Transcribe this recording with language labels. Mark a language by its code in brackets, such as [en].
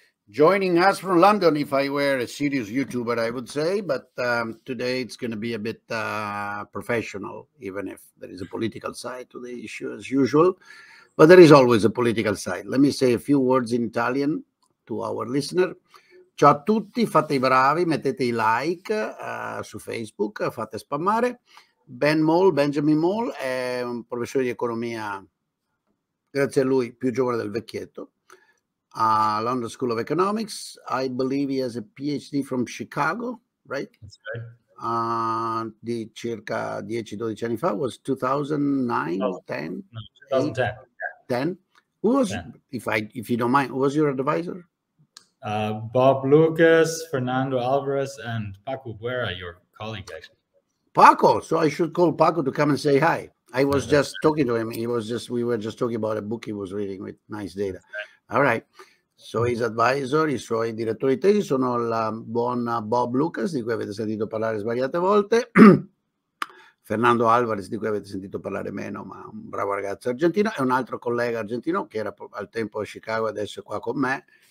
[en] Joining us from London, if I were a serious YouTuber, I would say, but today it's going to be a bit professional, even if there is a political side to the issue as usual, but there is always a political side. Let me say a few words in Italian to our listener. [it] Ciao a tutti, fate I bravi, mettete I like su Facebook, fate spammare. Benjamin Moll, è un professore di economia, grazie a lui, più giovane del vecchietto, a London School of Economics. [en] I believe he has a PhD from Chicago, right? That's right. [it] Di circa 10-12 anni fa, [en] was 2010. Who was, if you don't mind, who was your advisor? Bob Lucas, Fernando Alvarez, and Paco Buera, your colleague, actually. Paco, so I should call Paco to come and say hi. I was just talking to him. We were just talking about a book he was reading with nice data. All right. So his advisor, [it] I suoi direttori tesi sono la buona Bob Lucas, di cui avete sentito parlare svariate volte. Fernando Alvarez, di cui avete sentito parlare meno, ma un bravo ragazzo argentino. E un altro collega argentino che era al tempo a Chicago, adesso è qua con me.